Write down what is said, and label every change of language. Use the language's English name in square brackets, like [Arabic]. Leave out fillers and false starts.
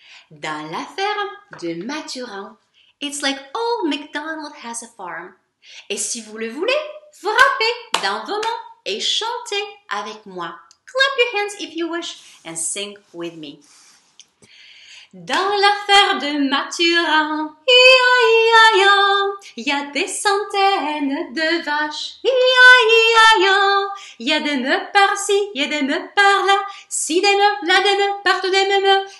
[French] Dans la ferme de Mathurin. [English] It's like old MacDonald has a farm. [French] Et si vous le voulez, frappez dans vos mains. Et chantez avec moi. [English] Clap your hands if you wish and sing with me. [French] Dans l'affaire de Mathurin, i-a-i-a-ya, il y a des centaines de vaches, i-a-i-a-ya, il y a des meufs par-ci, il y a des meufs par-là, si des meufs, là des meufs, partout des meufs.